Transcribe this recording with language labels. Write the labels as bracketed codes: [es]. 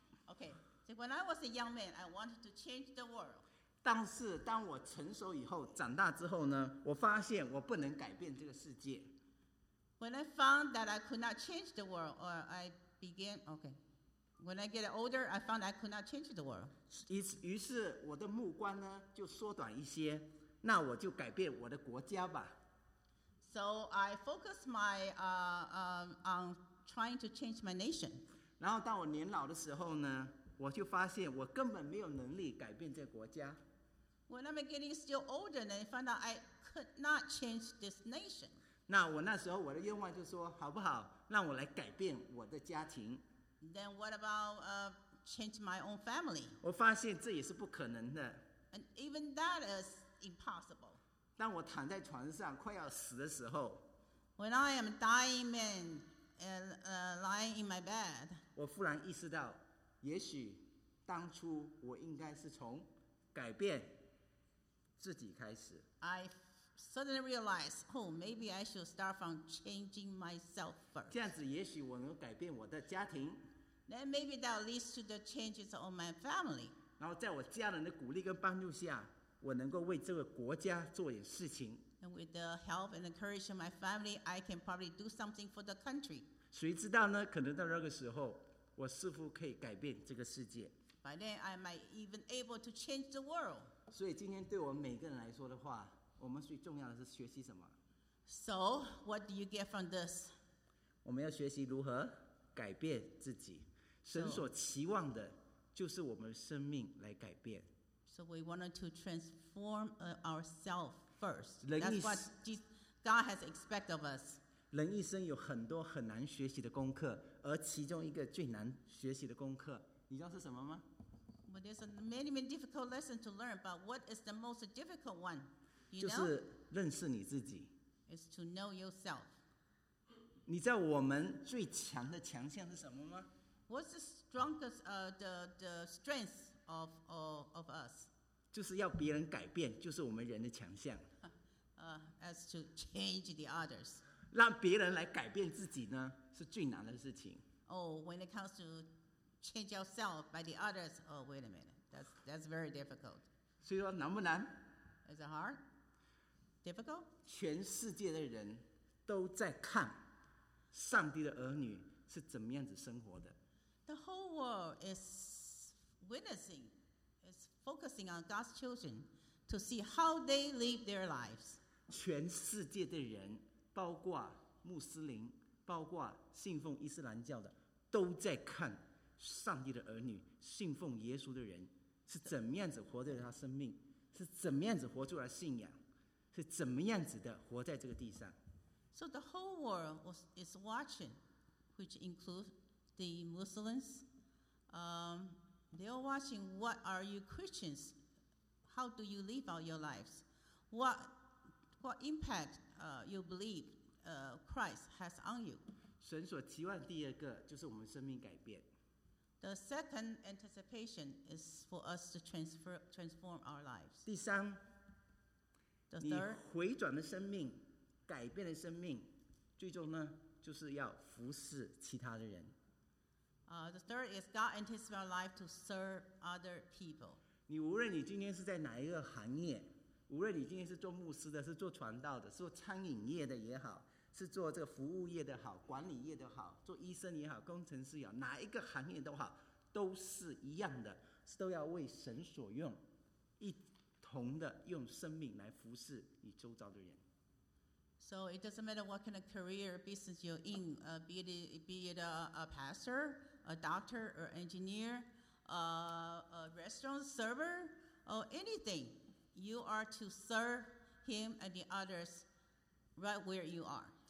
[en] Okay, so when I was a young man, I wanted to change the world. [zh] 但是当我成熟以后，长大之后呢，我发现我不能改变这个世界。 [en] When I found that I could not change the world, or I began, okay. When I get older, I found I could not change the world. [zh] 于是我的目光呢，就缩短一些。那我就改变我的国家吧。 [en] So I focus my on trying to change my nation. [zh] 然后当我年老的时候呢，我就发现我根本没有能力改变这个国家。 [en] When I'm getting still older, then I find out I c could not change this nation. [zh] 那我那时候我的愿望就说，好不好，让我来改变我的家庭。 [en] Then what about change my own family? [zh] 我发现这也是不可能的。 [en] And even that is impossible. [zh] 当我躺在床上快要死的时候， [en] When I am dying man and lying in my bed, [zh] 我忽然意识到，也许当初我应该是从改变自己开始。 [en] I suddenly realized, oh, maybe I should start from changing myself first. [zh] 这样子，也许我能改变我的家庭。 [en] Then maybe that leads to the changes of my family. [zh] 然后在我家人的鼓励跟帮助下，我能够为这个国家做点事情。 [en] And with the help and encouragement of my family, I can probably do something for the country. [zh] 谁知道呢？可能到那个时候，我似乎可以改变这个世界。 [en] By then, I might even able to change the world. [zh] 所以今天对我们每个人来说的话，我们最重要的是学习什么？ [en] So, what do you get from this? [zh] 我们要学习如何改变自己。神所期望的就是我们生命来改变。 [en] So we wanted to transform ourselves first. That's what God has expected of us. [zh] 人一生有很多很难学习的功课，而其中一个最难学习的功课，你知道是什么吗？ [en] Well, there's many, many difficult lessons to learn, but what is the most difficult one? You know? [zh] 就是认识你自己。 [en] It's to know yourself. [zh] 你知道我们最强的强项是什么吗？ [en] What's the strongest, the strength of all of us? [zh] 就是要别人改变，就是我们人的强项。 [en] As to change the others. [zh] 让别人来改变自己呢，是最难的事情。 [en] Oh, when it comes to change yourself by the others, oh, wait a minute, that's very difficult. [zh] 所以说难不难？ [en] Is it hard? Difficult? [zh] 全世界的人都在看上帝的儿女是怎么样子生活的。 [en] The whole world is witnessing, is focusing on God's children to see how they live their lives. [zh] 全世界的人，包括穆斯林，包括信奉伊斯兰教的，都在看上帝的儿女，信奉耶稣的人，是怎么样子活在他生命，是怎么样子活出来信仰，是怎么样子的活在这个地上。 [en] So the whole world is watching, which includes the Muslims. They are watching, what are you Christians? How do you live out your lives? What impact you believe Christ has on you? [zh] 神所期望第二个就是我们生命改变。 [en] The second anticipation is for us to transform our lives. [zh] 第三， [en] the third, [zh] 你回转的生命，改变的生命，最终呢，就是要服侍其他的人。 [en] The third is God anticipates our life to serve other people. [zh] 你无论你今天是在哪一个行业，无论你今天是做牧师的，是做传道的，是做餐饮业的也好，是做这个服务业的好，管理业的好，做医生也好，工程师也好，哪一个行业都好，都是一样的，是都要为神所用，一同的用生命来服侍你周遭的人。 [en] So it doesn't matter what kind of career business you're in, be it a pastor, a doctor, or engineer, a restaurant server, or anything, you are to serve him and the others right where you are.